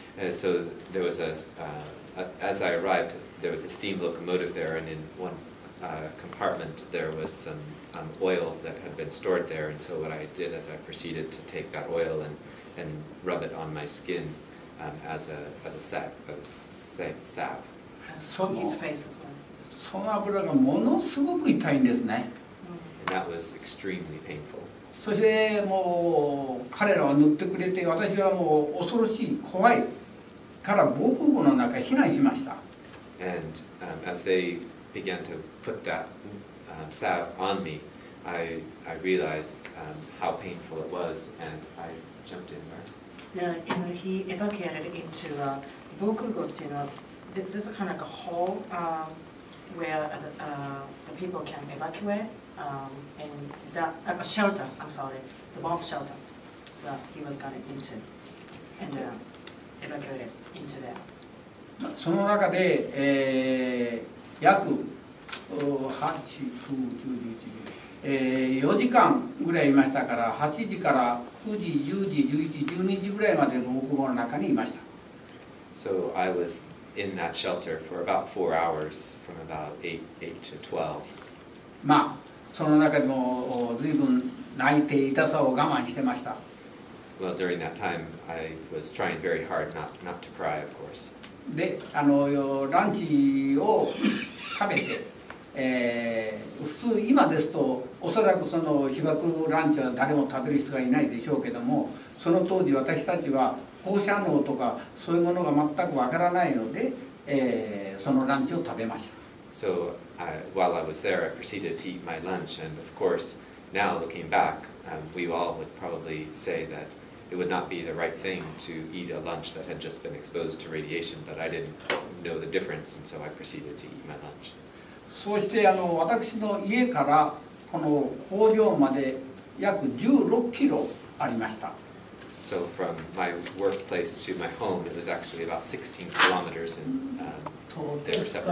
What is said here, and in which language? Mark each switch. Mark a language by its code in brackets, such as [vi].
[en] So there was a as I arrived there was a steam locomotive there, and in one compartment there was some oil that had been stored there, and so what I did as I proceeded to take that oil and rub it on my skin as a salve. His face as well. [ja] その油がものすごく痛いんですね。 [en] And that was extremely painful. [ja] そしてもう彼らは塗ってくれて、私はもう恐ろしい怖いから防空壕の中に避難しました。 [en] And as they began to put that salve on me, I realized how painful it was, and I jumped in there. Yeah, and he evacuated into a bokugo, you know, this is kind of like a hall where the people can evacuate, and that, a shelter, I'm sorry, the bomb shelter that he was got into, and evacuated into there. [ja] その中で、約4時間ぐらいいましたから、8時から9時、10時、11時、12時ぐらいまで防空壕の中にいました。 [en] So I was in that shelter for about 4 hours, from about 8 to 12. [ja] まあ、その中でも随分泣いて痛さを我慢してました。 [en] Well, during that time, I was trying very hard not to cry, of course. [ja] で、あのランチを食べて、普通今ですとおそらくその被爆ランチは誰も食べる人がいないでしょうけども、その当時私たちは放射能とかそういうものが全くわからないので、そのランチを食べました。 [en] So while I was there I proceeded to eat my lunch, and of course now looking back we all would probably say that it would not be the right thing to eat a lunch that had just been exposed to radiation, but I didn't know the difference, and so I proceeded to eat my lunch. [ja] そしてあの私の家からこの工場まで約16キロありました。 [en] So from my workplace to my home, it was actually about 16 kilometers and they were separated.